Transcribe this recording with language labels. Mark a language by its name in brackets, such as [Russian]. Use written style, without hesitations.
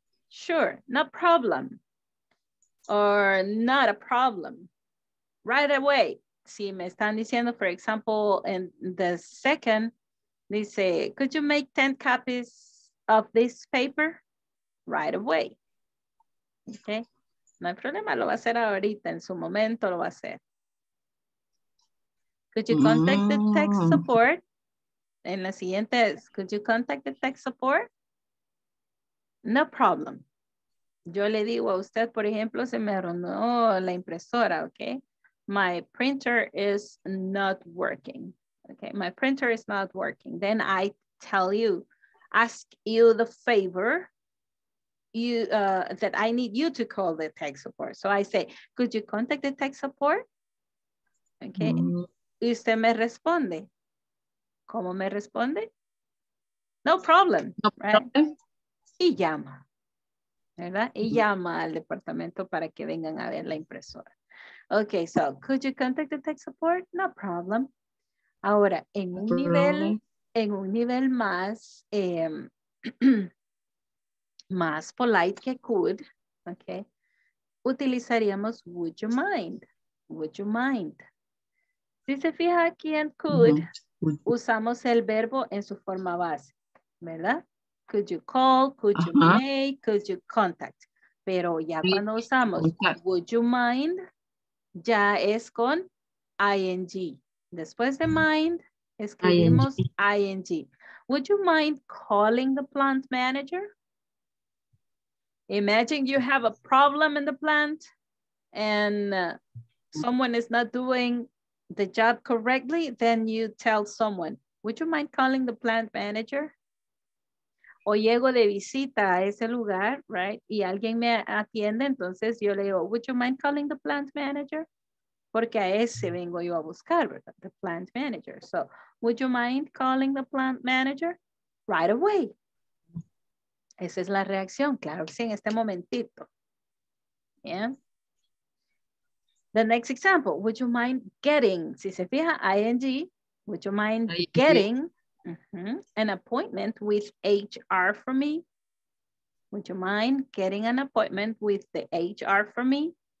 [English] Sure, no problem. Or not a problem. Right away. [Spanish] Si me están diciendo, [English] for example, in the second, they say, could you make 10 copies of this paper right away. Okay. [Spanish] No hay problema, lo va a hacer ahorita, en su momento lo va a hacer. [English] Could you contact the tech support? [Spanish] En la siguiente es, [English] could you contact the tech support? No problem. [Spanish] Yo le digo a usted, por ejemplo, se me arruinó la impresora, okay? [English] My printer is not working. Okay, my printer is not working. Then I tell you, ask you the favor that I need you to call the tech support. So I say, could you contact the tech support? [Spanish] Okay. Mm-hmm. Y usted me responde. ¿Cómo me responde? [English] No problem. No problem. Right? [Spanish] Y llama. ¿Verdad? Y llama al departamento para que vengan a ver la impresora. [English] Okay, so could you contact the tech support? No problem. [Spanish] Ahora, en un nivel, más, más [English] polite que could, okay, utilizaríamos would you mind? Would you mind? [Spanish] Si se fija aquí en could, usamos el verbo en su forma base, ¿verdad? [English] Could you call, could you make, could you contact? [Spanish] Pero ya cuando usamos [English] would you mind, [Spanish] ya es con ing. Después de mind, escribimos ing. [English] Would you mind calling the plant manager? Imagine you have a problem in the plant and someone is not doing the job correctly, then you tell someone, would you mind calling the plant manager? [Spanish] O llego de visita a ese lugar, [English] right? [Spanish] Y alguien me atiende, entonces yo le digo, [English] would you mind calling the plant manager? [Spanish] Porque a ese vengo yo a buscar, ¿verdad? [English] The plant manager. So, would you mind calling the plant manager? Right away. [Spanish] Esa es la reacción, claro que sí, en este momentito. [English] Yeah. The next example, would you mind getting, [Spanish] si se fija, [English] ing, would you mind getting an appointment with HR for me? Would you mind getting an appointment with the HR for me?